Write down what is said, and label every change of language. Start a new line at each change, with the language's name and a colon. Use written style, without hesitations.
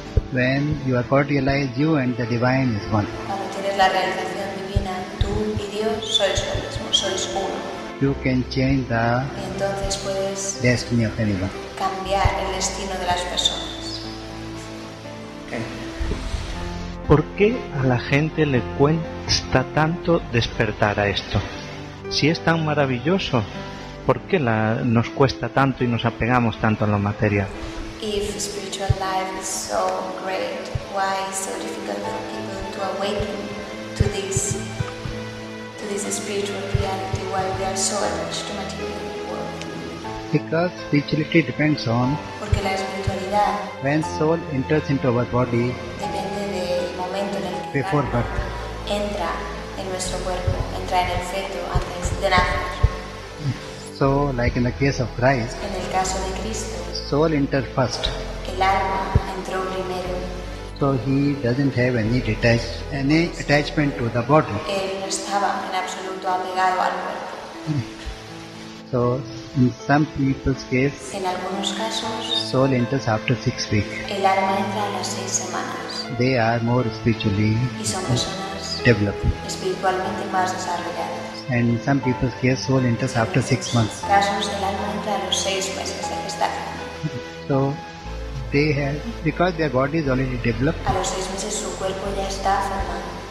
English: When you are God realized, you and the divine is one.
Spanish: Cuando tienes la realización divina, tú y Dios sois lo mismo, sois uno.
English: You can change the
Spanish: entonces puedes
English: destiny of anyone.
Spanish: Cambiar el destino de las personas.
English: Okay.
Spanish: ¿Por qué a la gente le cuesta tanto despertar a esto? Si es tan maravilloso, ¿por qué nos cuesta tanto y nos apegamos tanto a lo material?
English: If spiritual life is so great, why is so difficult for people to awaken to this spiritual reality while they are so attached to material? Because spirituality depends on
Spanish: porque la espiritualidad
English: when soul enters into our body
Spanish: depende del momento en el que
English: before birth
Spanish: entra en nuestro cuerpo, entra en el feto antes de nacer.
English: So like in the case of Christ,
Spanish: en el caso de Cristo,
English: soul enters first,
Spanish: el alma entró primero.
English: So he doesn't have any attachment to the body.
Spanish: Él no estaba en absoluto apegado al cuerpo.
English: So in some people's case,
Spanish: en algunos casos,
English: soul enters after 6 weeks.
Spanish: El alma entra a las 6 semanas.
English: They are more spiritually developed.
Spanish: Espiritualmente más desarrolladas.
English: And in some people's case, soul enters after 6 months.
Spanish: Casos, el alma entra a los 6 meses de gestación.
English: So they have, because their body is already developed.
Spanish: A los 6 meses su cuerpo ya está formado.